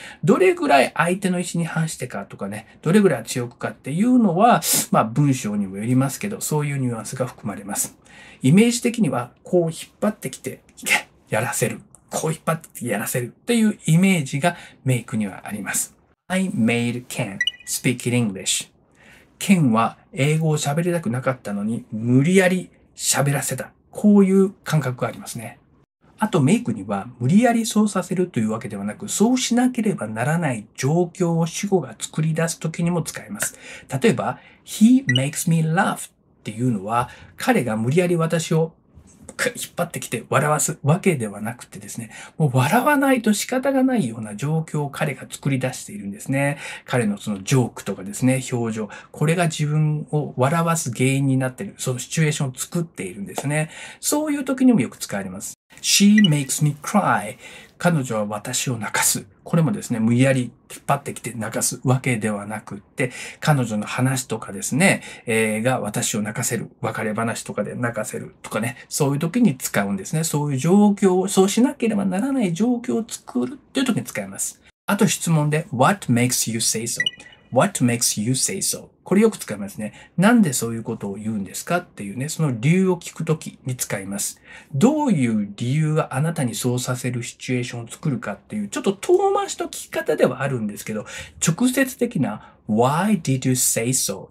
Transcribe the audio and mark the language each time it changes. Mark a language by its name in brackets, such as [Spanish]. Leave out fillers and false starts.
[Japanese] どれぐらい相手の意思に反してかとかね、どれぐらい強くかっていうのは、まあ文章にもよりますけど、そういうニュアンスが含まれます。イメージ的には、こう引っ張ってきて、いけ!やらせる。こう引っ張ってきてやらせるというイメージがメイクにはあります。 [English] I made Ken speak English. [Japanese] ケンは英語を喋りたくなかったのに無理やり喋らせた。こういう感覚がありますね。あとメイクには無理やりそうさせるというわけではなく、そうしなければならない状況を主語が作り出すときにも使えます。例えば、 [English] He makes me laugh [Japanese] っていうのは、彼が無理やり私を引っ張ってきて笑わすわけではなくてですね、もう笑わないと仕方がないような状況を彼が作り出しているんですね。彼のそのジョークとかですね、表情、これが自分を笑わす原因になっている、そのシチュエーションを作っているんですね。そういう時にもよく使われます。 [English] She makes me cry、 [Japanese] 彼女は私を泣かす。これもですね、無理やり引っ張ってきて泣かすわけではなくって、彼女の話とかですね、が私を泣かせる、別れ話とかで泣かせるとかね、そういう時に使うんですね。そういう状況を、そうしなければならない状況を作るっていう時に使います。あと質問で、 [English] What makes you say so? What makes you say so? [Japanese] これよく使いますね。なんでそういうことを言うんですかっていうね、その理由を聞くときに使います。どういう理由があなたにそうさせるシチュエーションを作るかっていう、ちょっと遠回しの聞き方ではあるんですけど、直接的な [English] Why did you say so?